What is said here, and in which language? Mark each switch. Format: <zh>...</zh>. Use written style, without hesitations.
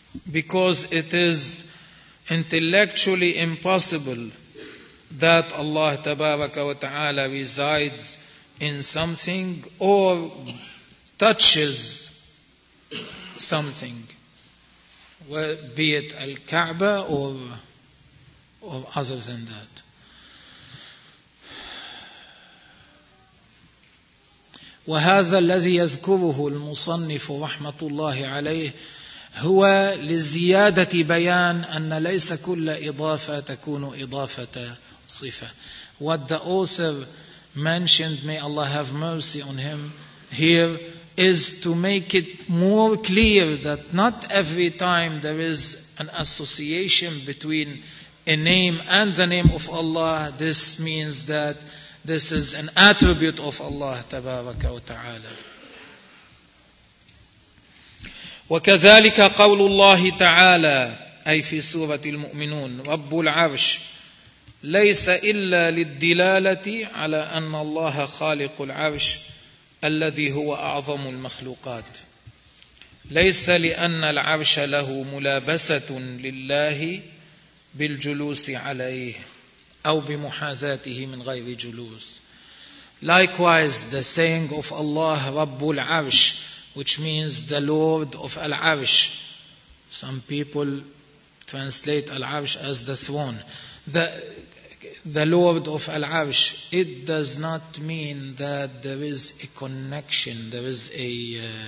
<en>Because it is intellectually impossible that Allah Tabaraka wa Ta'ala resides in something or touches something, be it Al-Ka'ba or other than that.</en> <ar>وهذا الذي يذكره المصنف رحمة الله عليه هو لزيادة بيان أن ليس كل إضافة تكون إضافة صفة.</ar> <en>What the author mentioned, may Allah have mercy on him here, is to make it more clear that not every time there is an association between a name and the name of Allah, this means that this is an attribute of Allah tabaraka wa ta'ala.</en> <ar>وكذلك قول الله تعالى أي في سورة المؤمنون رب العرش ليس إلا للدلالة على أن الله خالق العرش الذي هو أعظم المخلوقات ليس لأن العرش له ملابسة لله بالجلوس عليه أو بمحاذاته من غير جلوس.</ar> <en>Likewise, the saying of Allah</en> <ar>رب العرش,</ar> <en>which means the Lord of Al-Arsh. Some people translate Al-Arsh as the throne. The Lord of Al-Arsh, it does not mean that there is a connection, there is a...</en>